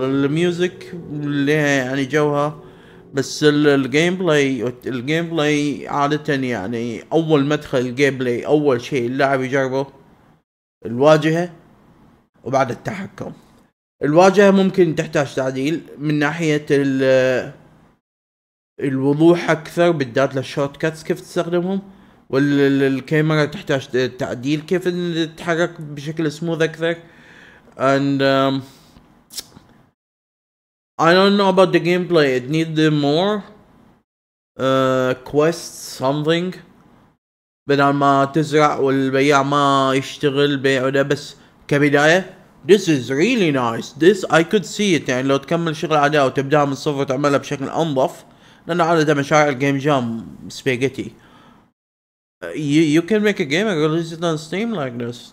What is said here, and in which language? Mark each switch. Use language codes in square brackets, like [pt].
[ar] The music ليها يعني جوها. بس الجيمبلاي عادة يعني أول مدخل الجيمبلاي أول شيء اللاعب يجربه الواجهة وبعد التحكم. الواجهة ممكن تحتاج تعديل من ناحية الوضوح أكثر بالذات للشورت كاتس كيف تستخدمهم. والكاميرا تحتاج تعديل كيف تتحرك بشكل سموث اكثر. [en] And I don't know about the gameplay, it needs more quests something. [ar] بدل ما تزرع والبيع ما يشتغل بيع وده بس كبداية. [en] This is really nice. This I could see it. [ar] يعني لو تكمل شغل عادة أو تبدأها من الصفر وتعملها بشكل أنظف. لأن عادة مشاعر الجيم جام سباجيتي. [en] You can make a game and release it on Steam like this.